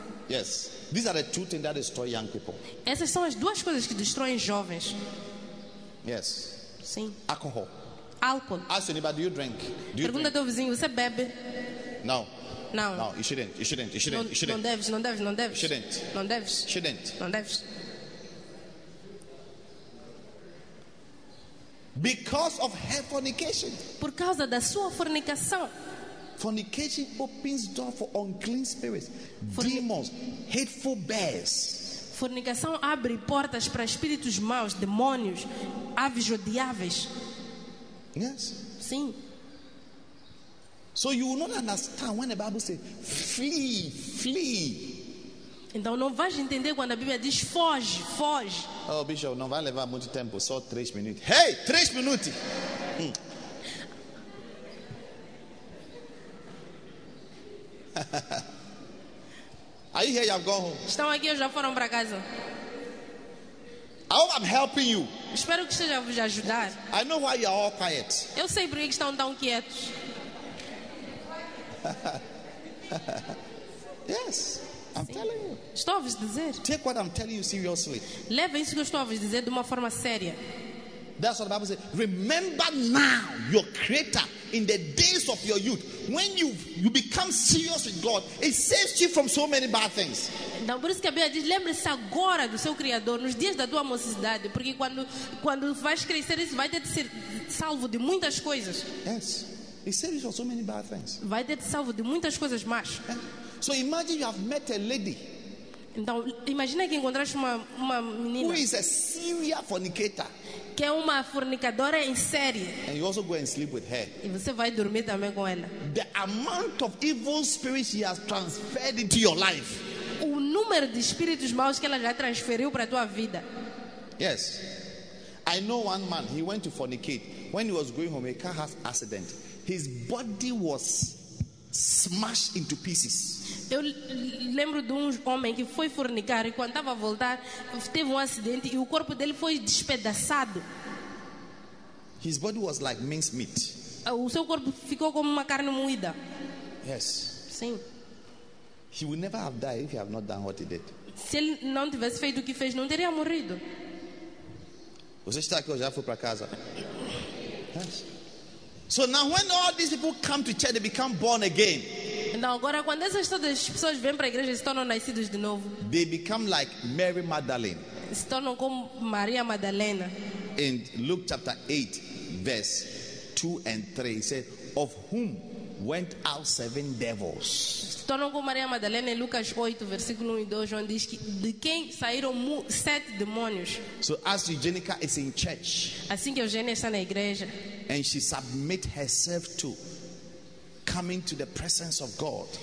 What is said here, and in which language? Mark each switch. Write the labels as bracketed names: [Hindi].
[English] Yes, these are the two things that destroy young people. [Portuguese] Essas são as duas coisas que destroem jovens. [English] Yes. [Portuguese] Sim. [English] Alcohol. [Portuguese] Álcool. [English] Ask anybody, do you drink? Do you [Portuguese] pergunta ao teu vizinho, você bebe? Não. Não. [English] Não, you shouldn't. [Portuguese] Não, não deves, não deves, não deves. [English] Shouldn't. [Portuguese] Não deves. [English] Shouldn't. [Portuguese] Não deves. [English] Because of her fornication. [Portuguese] Por causa da sua fornicação. [English] Fornication opens door for unclean spirits, demons, hateful bears. [Portuguese] Fornicação abre portas para espíritos maus, demônios, aves odiáveis. [English] Yes. [Portuguese] Sim. [English] So you will not understand when the Bible says flee. [Portuguese] Então não vais entender quando a Bíblia diz foge. [English] Oh, bishop, [Portuguese] não vai levar muito tempo, só 3 minutos. Hey, 3 minutos. [English] Are you here? You have gone home. [Portuguese] Estão aqui ou já foram para casa? [English] I hope I'm helping you. [Portuguese] Espero que esteja a vos ajudar. [English] I know why you are all quiet. [Portuguese] Eu sei por que estão tão quietos. [English] Yes, I'm telling you. [Portuguese] Estou a vos dizer. [English] Take what I'm telling you seriously. [Portuguese] Leve isso que eu estou a vos dizer de uma forma séria. [English] That's what the Bible says. Remember now your Creator in the days of your youth. When you become serious with God, it saves you from so many bad things. [Portuguese] Então, por isso que a Bíblia diz, lembre-se agora do seu Criador nos dias da tua mocidade, porque quando vais crescer, isso vai ter de ser salvo de muitas coisas. [English] Yes. It saves you from so many bad things. [Portuguese] Vai ter de salvo de muitas coisas más. [English] So imagine you have met a lady. [Portuguese] Então, imagina que encontraste uma menina. [English] Who is a serious fornicator. [Portuguese] Que é uma fornicadora em série. [English] And you also go and sleep with her. [Portuguese] E você vai dormir também com ela. [English] The amount of evil spirits she has transferred into your life. [Portuguese] O número de espíritos maus que ela já transferiu para a tua vida. [English] Yes. I know one man, he went to fornicate. When he was going home, a car has accident. His body was smashed into pieces. [Portuguese] Eu lembro de um homem que foi fornicar e quando estava a voltar teve um acidente e o corpo dele foi despedaçado. [English] His body was like minced meat. [Portuguese] O seu corpo ficou como uma carne moída. [English] Yes. [Portuguese] Sim. [English] He would never have died if he had not done what he did. [Portuguese] Se ele não tivesse feito o que fez, não teria morrido. Você está aqui, eu já fui para casa. [English] Yes. So now when all these people come to church, they become born again. [Portuguese] Então agora quando essas todas as pessoas vêm para a igreja, se tornam nascidos de novo. [English] They become like Mary Magdalene. [Portuguese] Se tornam como Maria Madalena. [English] In Luke chapter 8 verse 2 and 3 it says, of whom went out 7 devils. [Portuguese] Se tornam como Maria Madalena em Lucas 8 versículo 1 e 2 onde diz que de quem saíram 7 demônios. [English] So as Eugenica is in church. [Portuguese] Assim que Eugenia está na igreja. [English] And she submit herself to coming to the presence of God.